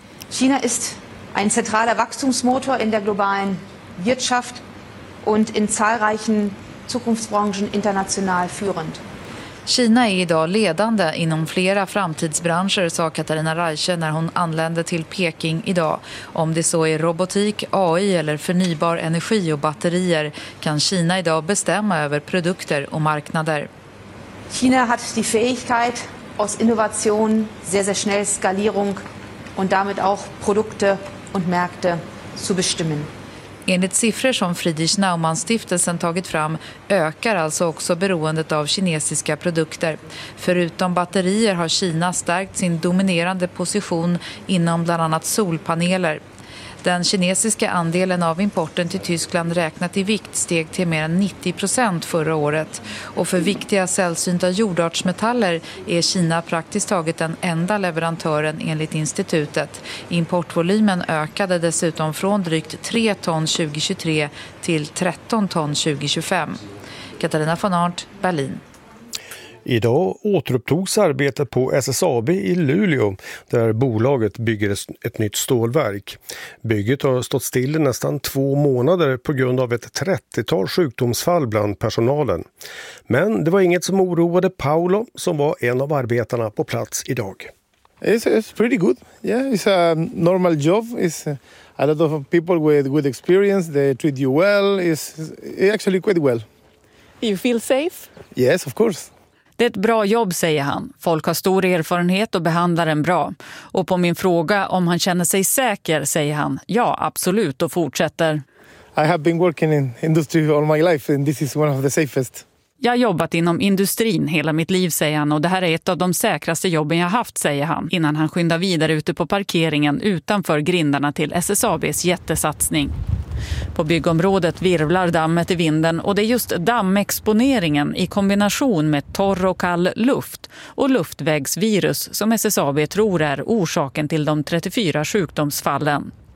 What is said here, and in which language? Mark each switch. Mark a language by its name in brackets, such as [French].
[Swedish] Kina är en central [German] wachstumsmotor [Swedish] i den globala [German] Wirtschaft und in zahlreichen Zukunftsbranchen international führend. [Swedish] Kina är idag ledande inom flera framtidsbranscher, sa Katarina Reiche när hon anlände till Peking idag. Om det så är robotik, AI eller förnybar energi och batterier kan Kina idag bestämma över produkter och marknader. [German] China hat die Fähigkeit aus Innovation, sehr sehr schnell Skalierung und damit auch Produkte und Märkte zu bestimmen. [Swedish] Enligt siffror som Friedrich Naumann-stiftelsen tagit fram ökar alltså också beroendet av kinesiska produkter. Förutom batterier har Kina stärkt sin dominerande position inom bland annat solpaneler. Den kinesiska andelen av importen till Tyskland räknat i vikt steg till mer än 90% förra året. Och för viktiga sällsynta jordartsmetaller är Kina praktiskt taget den enda leverantören enligt institutet. Importvolymen ökade dessutom från drygt 3 ton 2023 till 13 ton 2025. Katarina von Arnt, Berlin. Idag återupptogs arbetet på SSAB i Luleå där bolaget bygger ett nytt stålverk. Bygget har stått still i nästan 2 månader på grund av ett 30-tal sjukdomsfall bland personalen. Men det var inget som oroade Paolo som var en av arbetarna på plats idag. [English] It's pretty good. Yeah, it's a normal job. It's a lot of people with good experience. They treat you well. It's actually quite well. You feel safe? Yes, of course. [Swedish] Det är ett bra jobb, säger han. Folk har stor erfarenhet och behandlar en bra. Och på min fråga om han känner sig säker, säger han, ja, absolut, och fortsätter. [English] I have been working in industry all my life and this is one of the safest. [Swedish] Jag har jobbat inom industrin hela mitt liv, säger han, och det här är ett av de säkraste jobben jag haft, säger han, innan han skyndar vidare ute på parkeringen utanför grindarna till SSABs jättesatsning. På byggområdet virvlar dammet i vinden och det är just dammexponeringen i kombination med torr och kall luft och luftvägsvirus som SSAB tror är orsaken till de 34 sjukdomsfallen.